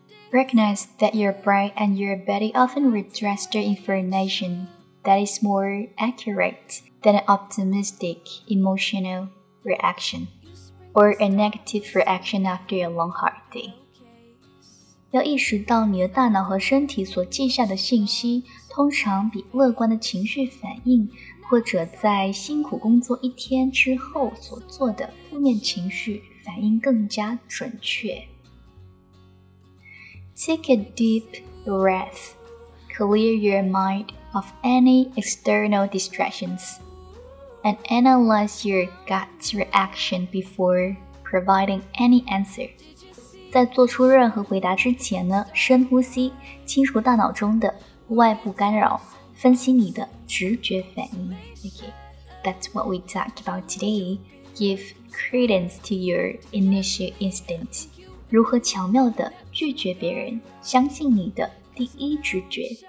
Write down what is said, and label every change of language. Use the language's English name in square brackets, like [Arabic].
[English] Recognize that your brain and your body often redress the information that is more accurate than an optimistic emotional reaction or a negative reaction after a long hard day. [Chinese] 要意识到你的大脑和身体所记下的信息通常比乐观的情绪反应或者在辛苦工作一天之后所做的负面情绪反应更加准确。 [English] Take a deep breath. Clear your mind of any external distractions and analyze your gut reaction before providing any answer. [Chinese] 在做出任何回答之前呢，深呼吸，清除大脑中的外部干扰，分析你的直觉反应。 [English] Okay, that's what we talked about today. Give credence to your initial instinct. [Chinese] 如何巧妙地拒绝别人，相信你的第一直觉。